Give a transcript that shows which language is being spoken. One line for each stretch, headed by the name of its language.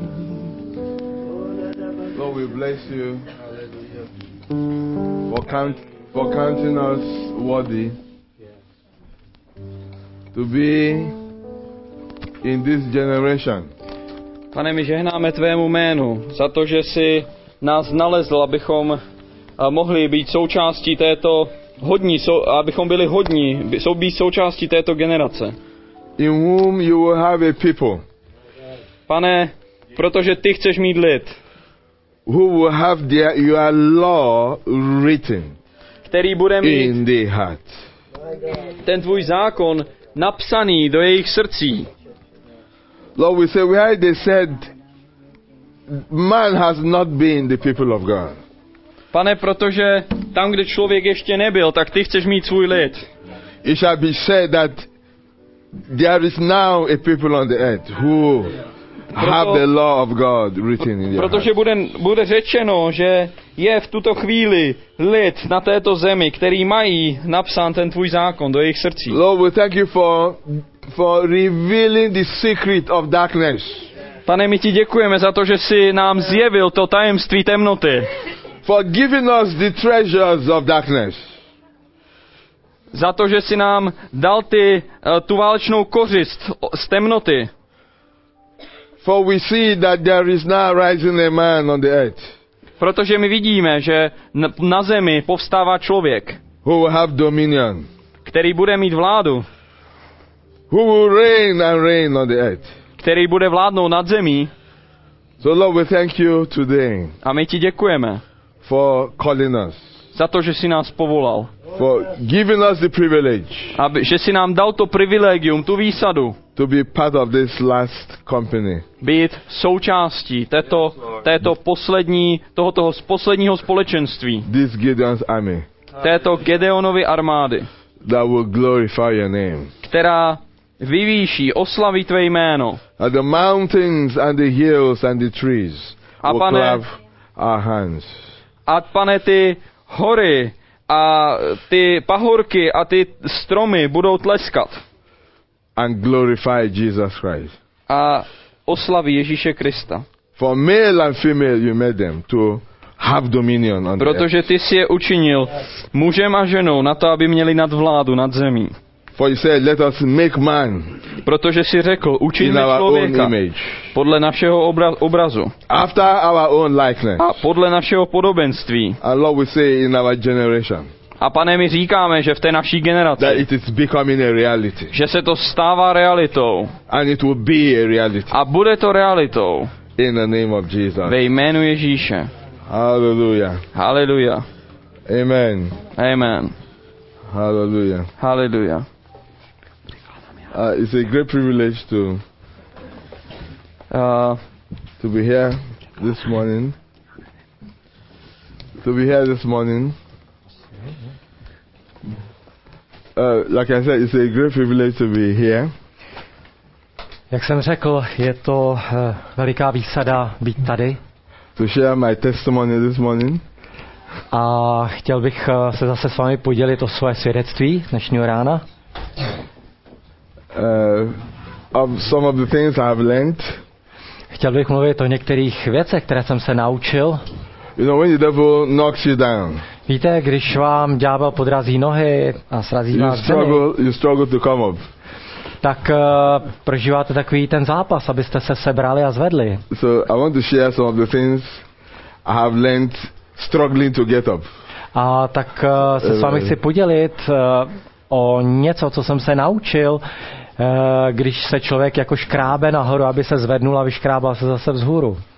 English: Lord, we bless you for counting us worthy to be in this generation.
Czech: Pane, my žehnáme tvému jménu za to, že jsi nás nalezl, abychom mohli být součástí této hodní, abychom byli hodní, být součástí této generace.
English: In whom you will have a people.
Czech: Pane, protože ty chceš mít lid.
English: Who will have their, your law written,
Czech: který bude mít
English: in their heart.
Czech: Ten tvůj zákon napsaný do jejich srdcí.
English: Lord, we say, why they said, man has not been the people of God.
Czech: Pane, protože tam, kde člověk ještě nebyl, tak ty chceš mít svůj lid.
English: It shall be said that there is now a people on the earth who have the law of God written in their hearts.
Czech: Protože bude řečeno, že je v tuto chvíli lid na této zemi, který mají napsán ten tvůj zákon do jejich srdcí.
English: Lord, we thank you for revealing the secret of darkness.
Czech: Pane, my ti děkujeme za to, že jsi nám zjevil to tajemství temnoty.
English: For giving us the treasures of darkness.
Czech: Za to, že jsi nám dal ty tu válečnou kořist z temnoty.
English: For we see that there is now rising a man on the earth.
Czech: Protože my vidíme, že na zemi povstává člověk.
English: Who will have dominion.
Czech: Který bude mít vládu.
English: Who will reign and reign on the earth.
Czech: Který bude vládnout nad zemí.
English: So Lord, we thank you today.
Czech: A my ti děkujeme.
English: For calling us.
Czech: Za to, že jsi nás povolal.
English: For giving us the privilege.
Czech: Že jsi nám dal to privilegium, tu výsadu.
English: To be part of this last company.
Czech: Být součástí této poslední, tohoto posledního společenství.
English: This Gideon's army.
Czech: Této Gideonovy armády.
English: That will glorify your name.
Czech: Která vyvýší, oslaví tvé jméno.
English: And the mountains and the hills and the trees will clap our hands.
Czech: A pane, ty hory a ty pahorky a ty stromy budou tleskat.
English: And glorify Jesus Christ.
Czech: A oslaví Ježíše Krista.
English: For male and female you made them to have dominion on.
Czech: Protože ty jsi je učinil mužem a ženou na to, aby měli nadvládu nad zemí.
English: For you said, let us make man.
Czech: Protože jsi řekl, učiňme člověka podle našeho obrazu.
English: After our own likeness.
Czech: A podle našeho podobenství.
English: And Lord, we say in our generation.
Czech: A pane, my říkáme, že v té naší generaci.
English: That it is becoming a reality.
Czech: Že se to stává realitou.
English: And it will be a reality.
Czech: A bude to realitou.
English: In the name of Jesus.
Czech: Ve jménu Ježíše.
English: Hallelujah.
Czech: Hallelujah.
English: Amen.
Czech: Amen.
English: Hallelujah.
Czech: Hallelujah.
English: It's a great privilege to be here this morning. To be here this morning. Like I said, it's a great privilege to be here.
Czech: Jak jsem řekl, je to veliká výsada být tady.
English: To share my testimony this morning.
Czech: A chtěl bych se zase s vámi podělit o své svědectví dnešního rána.
English: Of some of the things I have learned.
Czech: Chtěl bych mluvit o některých věcech, které jsem se naučil.
English: You know, when the devil knocks you down.
Czech: Víte, když vám ďábel podrazí nohy a srazí
English: you
Czech: vás zemi,
English: you struggle to come up.
Czech: Tak prožíváte takový ten zápas, abyste se sebrali a zvedli.
English: So I want to share some of the things I have learned struggling to get up.
Czech: A tak se s vámi chci podělit o něco, co jsem se naučil, když se člověk jako škrábe nahoru, aby se zvednul a vyškrábal se zase vzhůru.